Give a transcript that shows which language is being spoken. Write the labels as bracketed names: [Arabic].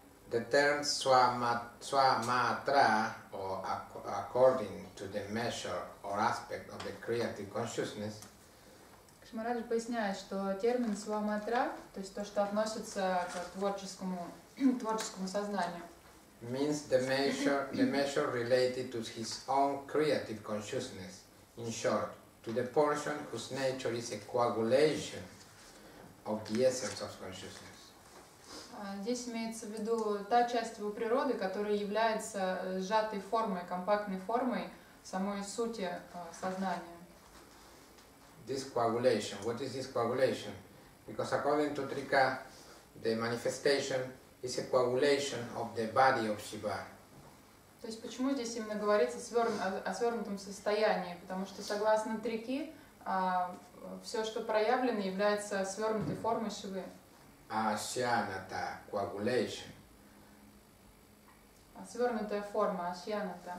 [English] The term swamatra, or according to the measure or aspect of the creative consciousness. [Russian] Кшмараджа поясняет, что термин свамматра, то есть то, что относится к творческому сознанию, [English] means the measure related to his own creative consciousness. In short, to the portion whose nature is a coagulation of the essence of consciousness. [Russian] Здесь имеется в виду та часть его природы, которая является сжатой формой, компактной формой самой сути сознания. [English] This coagulation. What is this coagulation? Because according to Trika, the manifestation is a coagulation of the body of Shiva. [Russian] То есть почему здесь именно говорится о свернутом состоянии? Потому что согласно Трики, все, что проявлено, является свернутой формой Шивы. [English] Ашьяната, coagulation. [Russian] Свернутая форма, ашьяната.